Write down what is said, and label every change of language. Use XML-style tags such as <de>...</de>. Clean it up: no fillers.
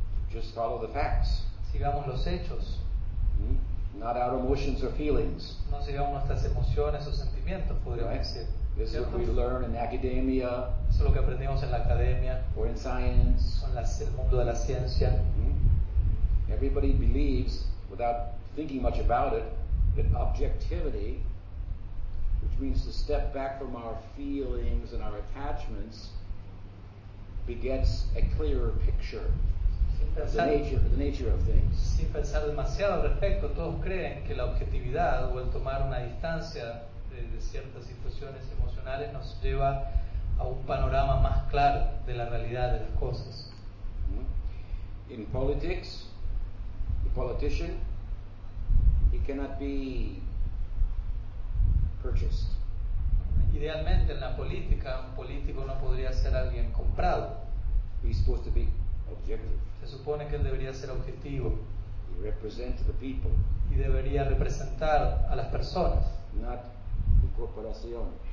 <en>Just follow the facts.</en> <es>Sigamos los hechos.</es> <en>Not our emotions or feelings.</en> <es>No sigamos nuestras emociones o sentimientos, podríamos right. decir.</es> <en>This is what we learn in academia.</en> <es>Eso es lo que aprendimos en la academia.</es> <en>Or in science.</en> <es>O en el mundo de la ciencia.</es> <en>Everybody believes, without thinking much about it, that objectivity, which means to step back from our feelings and our attachments, begets a clearer picture. The nature of things.</en> <es>Sin pensar demasiado al respecto, todos creen que la objetividad o el tomar una distancia de ciertas situaciones emocionales nos lleva a un panorama más claro de la realidad de las cosas.</es> <en>In politics, the politician, he cannot be purchased.</en> <es>Idealmente en la política, un político no podría ser alguien comprado.</es> <en>He's supposed to be objective.</en> <es>Se supone que él debería ser objetivo.</es> <en>He represents the people.</en> <es>Y debería representar a las personas.</es> <en>Not the corporation.</en>